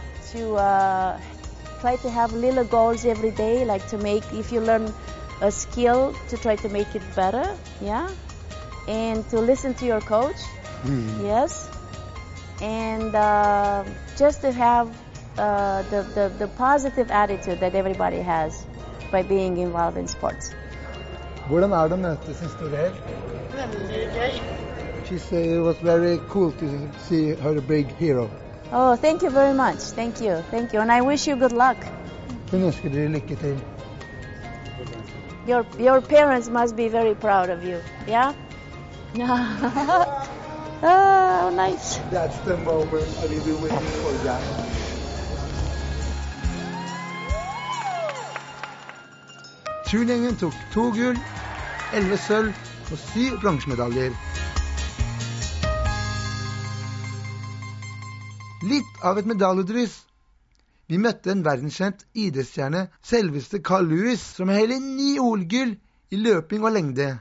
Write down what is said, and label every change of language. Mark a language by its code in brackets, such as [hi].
[en] To try to have little goals every day, like to make, if you learn a skill, to try to make it better, yeah. And to listen to your coach, yes. And just to have the positive attitude that everybody has by being involved in sports. [no] Hvordan det å møte sin store helt? Veldig gøy. [en] She said it was very cool to see her big hero. Oh, thank you very much. Thank you. Thank you. And I wish you good luck. [no] Hun ønsker dere lykke til. [en] Your parents must be very proud of you. Yeah? Oh, nice. That's the moment I will be waiting for that. [no] Turnjengen tok 2 gull, 11 sølv og 7 bronsemedaljer. Litt av et medaljedryss. Vi møtte en verdenskjent idrettsstjerne, selveste Carl Lewis, som har hele 9 OL-gull i løping og lengde.